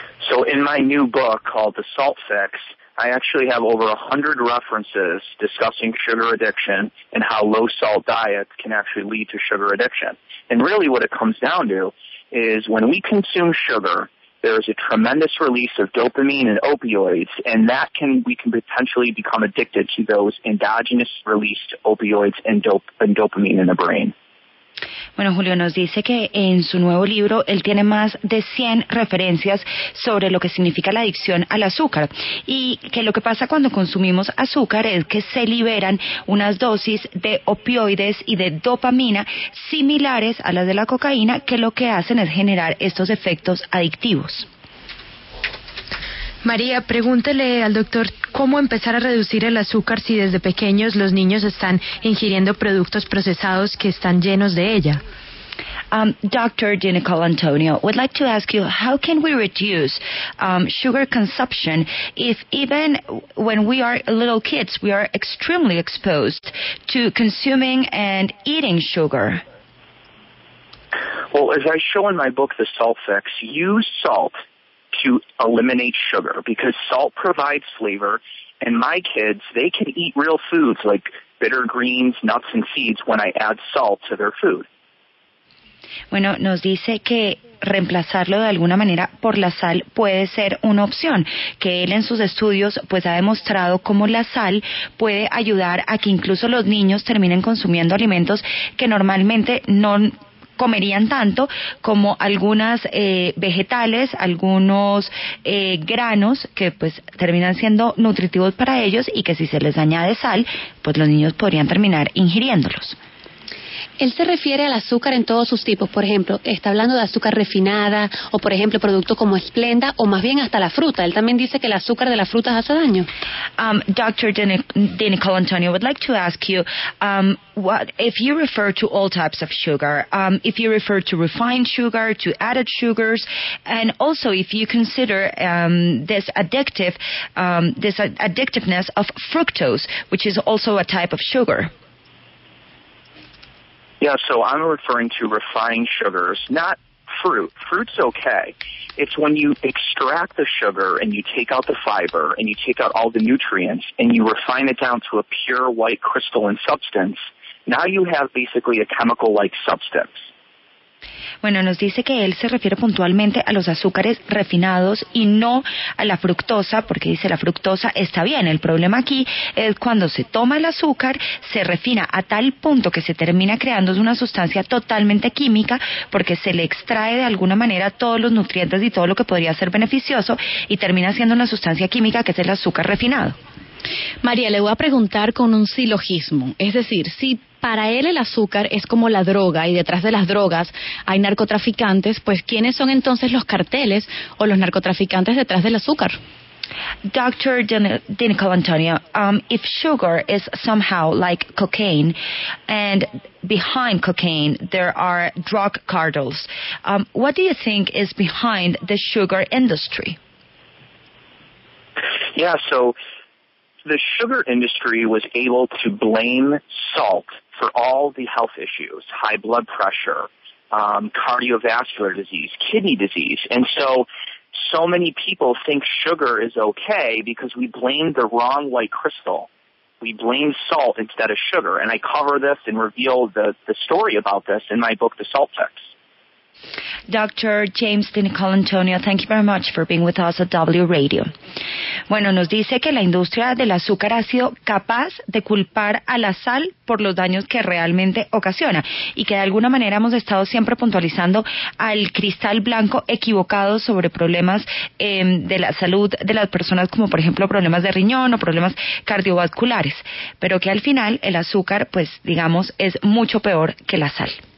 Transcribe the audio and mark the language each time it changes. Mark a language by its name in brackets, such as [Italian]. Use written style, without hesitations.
[English] So in my new book called The Salt Fix, I actually have over 100 references discussing sugar addiction and how low-salt diets can actually lead to sugar addiction. And really what it comes down to is when we consume sugar, there is a tremendous release of dopamine and opioids, and that can we can potentially become addicted to those endogenous released opioids and dopamine in the brain. [Spanish] Bueno, Julio nos dice que en su nuevo libro él tiene más de 100 referencias sobre lo que significa la adicción al azúcar y que lo que pasa cuando consumimos azúcar es que se liberan unas dosis de opioides y de dopamina similares a las de la cocaína que lo que hacen es generar estos efectos adictivos. María, pregúntele al doctor cómo empezar a reducir el azúcar si desde pequeños los niños están ingiriendo productos procesados que están llenos de ella. [English] Dr. DiNicolantonio, we'd like to ask you, how can we reduce sugar consumption if even when we are little kids, we are extremely exposed to consuming and eating sugar? Well, as I show in my book, The Salt Fix, use salt to eliminate sugar because salt provides flavor, and my kids, they can eat real foods like bitter greens, nuts, and seeds when I add salt to their food. [Spanish] Bueno, nos dice que reemplazarlo de alguna manera por la sal puede ser una opción, que él en sus estudios pues ha demostrado cómo la sal puede ayudar a que incluso los niños terminen consumiendo alimentos que normalmente no comerían tanto como algunas vegetales, algunos granos que pues terminan siendo nutritivos para ellos y que si se les añade sal, pues los niños podrían terminar ingiriéndolos. Él se refiere al azúcar en todos sus tipos, por ejemplo, está hablando de azúcar refinada o por ejemplo productos como Splenda o más bien hasta la fruta. Él también dice que el azúcar de las frutas hace daño. [English] Dr. DiNicolantonio, would like to ask you, what if you refer to all types of sugar, if you refer to refined sugar, to added sugars, and also if you consider this addictiveness of fructose, which is also a type of sugar. Yeah, so I'm referring to refined sugars, not fruit. Fruit's okay. It's when you extract the sugar and you take out the fiber and you take out all the nutrients and you refine it down to a pure white crystalline substance, Now you have basically a chemical-like substance. [Spanish] Bueno, nos dice que él se refiere puntualmente a los azúcares refinados y no a la fructosa, porque dice la fructosa está bien. El problema aquí es cuando se toma el azúcar, se refina a tal punto que se termina creando una sustancia totalmente química, porque se le extrae de alguna manera todos los nutrientes y todo lo que podría ser beneficioso, y termina siendo una sustancia química que es el azúcar refinado. María, le voy a preguntar con un silogismo, es decir, si para él el azúcar es como la droga y detrás de las drogas hay narcotraficantes, pues ¿quiénes son entonces los carteles o los narcotraficantes detrás del azúcar? [English] Dr. DiNicolantonio, if sugar is somehow like cocaine and behind cocaine there are drug cartels, what do you think is behind the sugar industry? Yeah, so the sugar industry was able to blame salt for all the health issues, high blood pressure, cardiovascular disease, kidney disease. And so many people think sugar is okay because we blame the wrong white crystal. We blame salt instead of sugar. And I cover this and reveal the story about this in my book, The Salt Fix. Dr. James DiNicolantonio, thank you very much for being with us at W Radio. [Spanish] Bueno, nos dice que la industria del azúcar ha sido capaz de culpar a la sal por los daños que realmente ocasiona, y que de alguna manera hemos estado siempre puntualizando al cristal blanco equivocado sobre problemas de la salud de las personas, como por ejemplo problemas de riñón o problemas cardiovasculares, pero que al final el azúcar, pues digamos, es mucho peor que la sal.